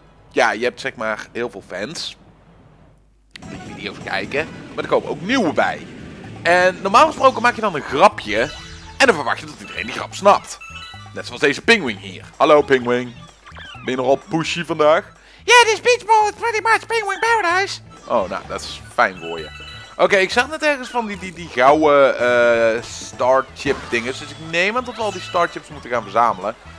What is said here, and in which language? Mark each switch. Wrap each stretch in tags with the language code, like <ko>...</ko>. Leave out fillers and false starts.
<nl>Ja, je hebt zeg maar heel veel fans. Die video's kijken. Maar er komen ook nieuwe bij. En normaal gesproken maak je dan een grapje. En dan verwacht je dat iedereen die grap snapt. Net zoals deze pinguïn hier. Hallo, pinguïn. Ben je nogal pushy vandaag?</nl> <en>Ja, yeah, this beach ball is pretty much Penguin Paradise.</en> <nl>Oh, nou, dat is fijn voor je. Oké, ik zag net ergens van die gouden starchip dinges. Dus ik neem aan dat we al die starchips moeten gaan verzamelen.</nl>